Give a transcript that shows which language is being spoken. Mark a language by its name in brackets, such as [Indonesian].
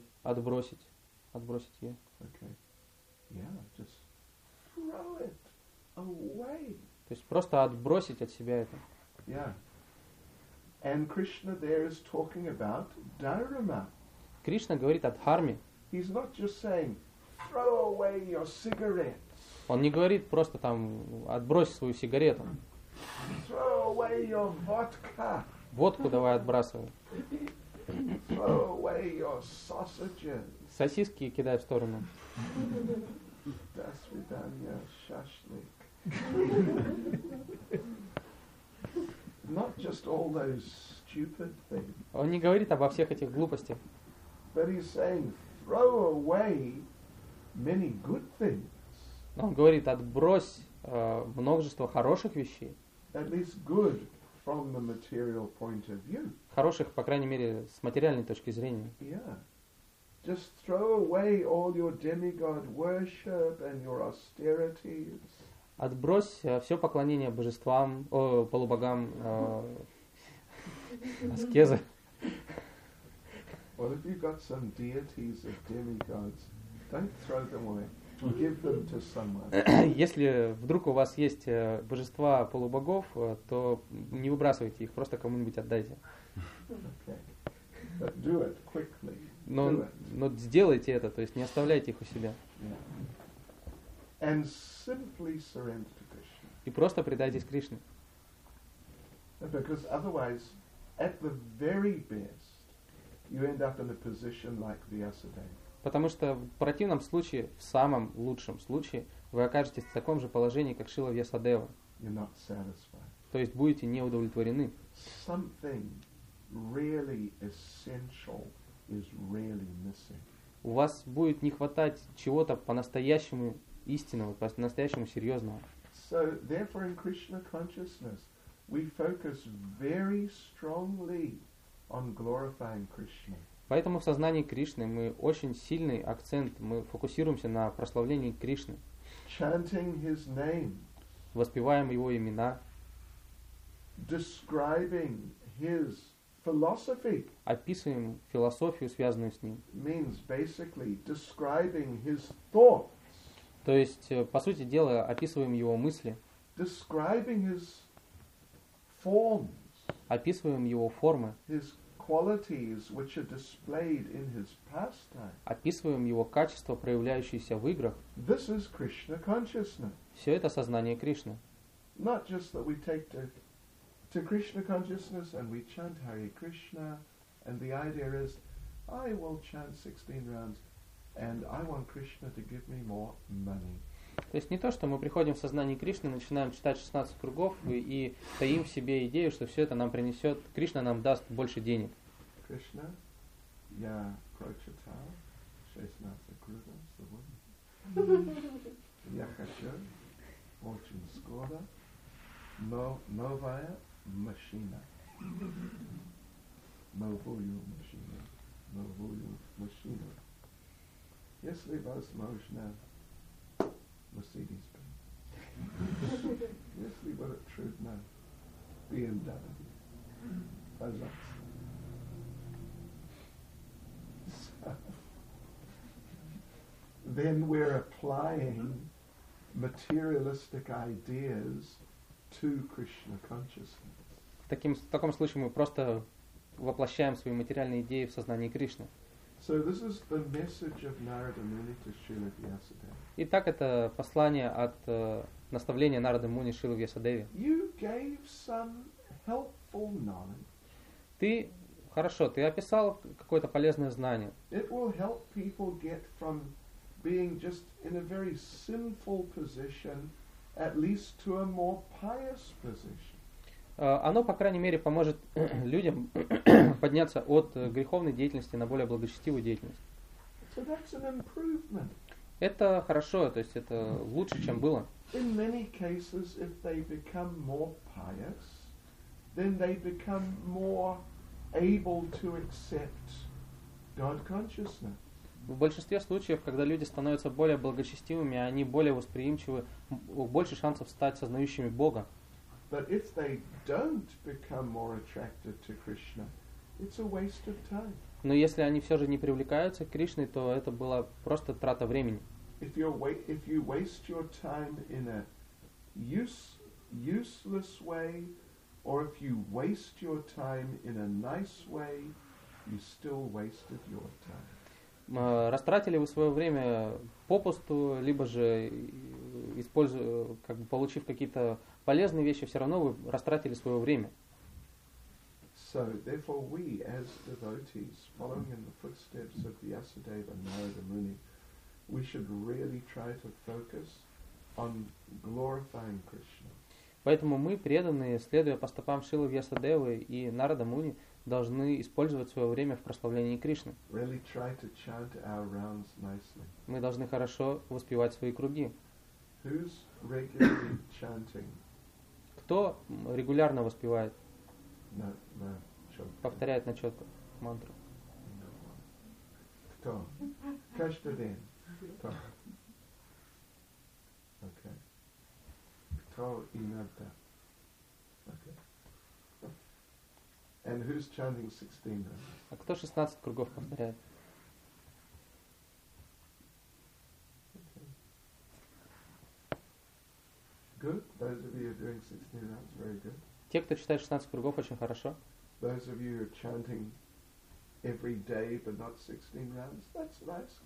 [Russian] отбросить. Отбросить, [English] yeah. Okay. Yeah, just throw it away. [Russian] То есть просто отбросить от себя это. [English] Yeah. And Krishna there is talking about dharma. [Russian] Кришна говорит о дхарме. [English] He's not just saying throw away your cigarettes. [Russian] Он не говорит просто там отбрось свою сигарету. [English] Throw away your vodka. [Russian] Водку давай отбрасывай. [English] Throw away your sausages. [Russian] Сосиски кидай в сторону. До свидания, шашлык. [English] Not just all those stupid things. [Russian] Он не говорит обо всех этих глупостях. [English] But he's saying throw away many good things. [Russian] Он говорит отбрось множество хороших вещей. [English] At least good from the material point of view. [Russian] Хороших, по крайней мере, с материальной точки зрения. [English] Yeah. Just throw away all your demigod worship and your austerities. [Russian] Отбрось все поклонение божествам, полубогам, аскезы. [English] What if you got some deities of demigods? Don't throw them away. Give them to someone. [Russian] Если вдруг у вас есть божества полубогов, то не выбрасывайте их, просто кому-нибудь отдайте. [English] Okay. But do it quickly. [Russian] Но сделайте это, то есть не оставляйте их у себя. [English] Yeah. And simply surrender to Krishna. [Russian] И просто предайтесь Кришне. [English] Because otherwise, at the very best, you end up in a position like Vyasadeva. [Russian] Потому что в противном случае, в самом лучшем случае, вы окажетесь в таком же положении, как Шрила Вьясадева. [English] You're not satisfied. [Russian] То есть будете не удовлетворены. [English] Something really essential is really missing. [Russian] У вас будет не хватать чего-то по-настоящему истинного, по-настоящему серьезного. [English] So, therefore, in Krishna consciousness, we focus very strongly on glorifying Krishna. [Russian] Поэтому в сознании Кришны мы очень сильный акцент, мы фокусируемся на прославлении Кришны. [English] Chanting his name. [Russian] Воспеваем его имена. [English] describing his philosophy [Russian] описываем философию, связанную с ним. [English] Means basically describing his thoughts. [Russian] То есть, по сути дела, описываем его мысли. [English] Describing his forms. [Russian] Описываем его формы. [English] His qualities, which are displayed in his pastime. [Russian] Описываем его качества, проявляющиеся в играх. [English] This is Krishna consciousness. [Russian] Все это сознание Кришны. [English] Not just that we take to Krishna consciousness and we chant Hare Krishna, and the idea is, I will chant 16 rounds. And I want Krishna to give me more money. [Russian] То есть не то, что мы приходим в сознание Кришны, начинаем читать 16 кругов и таим в себе идею, что все это нам принесет, Кришна нам даст больше денег. Krishna, я прочитал 16 кругов сегодня. Я хочу очень скоро новая машина. Новую машину. Если возможно, Mercedes-Benz. Если будет трудно, BMW. Пожалуйста. [English] Then we're applying materialistic ideas to Krishna consciousness. [Russian] В таком случае мы просто воплощаем свои материальные идеи в сознание Кришны. [English] So this is the message of Narada Muni to Śrīla Vyāsadeva. [Russian] Итак, это послание от наставления Нарады Муни Шрилы Вьясадеве. [English] You gave some helpful knowledge. [Russian] Ты описал какое-то полезное знание. [English] It will help people get from being just in a very sinful position at least to a more pious position. [Russian] Оно, по крайней мере, поможет людям подняться от греховной деятельности на более благочестивую деятельность. [English] So that's an improvement. [Russian] Это хорошо, то есть это лучше, чем было. [English] In many cases, if they become more pious, then they become more able to accept God consciousness. [Russian] В большинстве случаев, когда люди становятся более благочестивыми, они более восприимчивы, больше шансов стать сознающими Бога. [English] But if they don't become more attracted to Krishna, it's a waste of time. [Russian] Но если они все же не привлекаются к Кришне, то это была просто трата времени. [English] If you waste your time in a useless way, or if you waste your time in a nice way, you still wasted your time. [Russian] Растратили вы свое время попусту, либо же используя, как бы получив какие-то полезные вещи, все равно вы растратили свое время. [English] So, therefore, we as devotees, following in the footsteps of Vyasadeva and Narada Muni, we should really try to focus on glorifying Krishna. [Russian] Поэтому мы, преданные, следуя по стопам Шрилы Вьясадевы и Нарада Муни, должны использовать свое время в прославлении Кришны. [English] Really try to chant our rounds nicely. [Russian] Мы должны хорошо воспевать свои круги. [English] Who's regularly chanting? [Russian] Кто регулярно воспевает? [English] No. [Russian] Повторяет на четко мантру. [English] No. [Russian] Кто? Каждый день. Кто? Okay. Кто иногда? [English] And who's chanting 16 rounds? [Russian] А кто 16 кругов повторяет? [English] Good. Those of you who are doing 16 rounds, very good. [Russian] Те, кто читает 16 кругов, очень хорошо. [English] Those of you who are chanting every day, but not 16 rounds, that's nice.